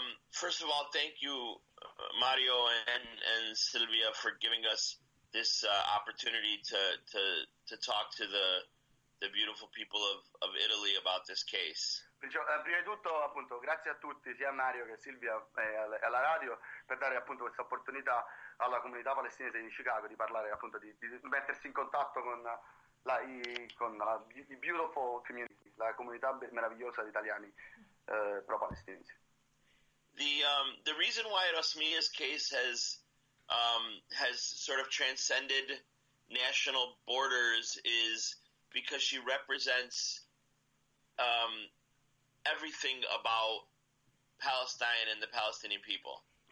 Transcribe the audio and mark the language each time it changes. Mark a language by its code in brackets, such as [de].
[en] First of all, thank you, Mario and Sylvia, for giving us this opportunity to talk to the beautiful people of Italy about this case. [it] Prima di tutto, appunto, grazie a tutti, sia a Mario che a Silvia e alla radio, per dare appunto questa opportunità alla comunità palestinese di Chicago di parlare, appunto, di mettersi in contatto con la [en] beautiful community, [it] la comunità meravigliosa di italiani pro-palestinesi. [en] The reason why Rasmea's case has sort of transcended national borders is because she represents everything about Palestine and the Palestinian people.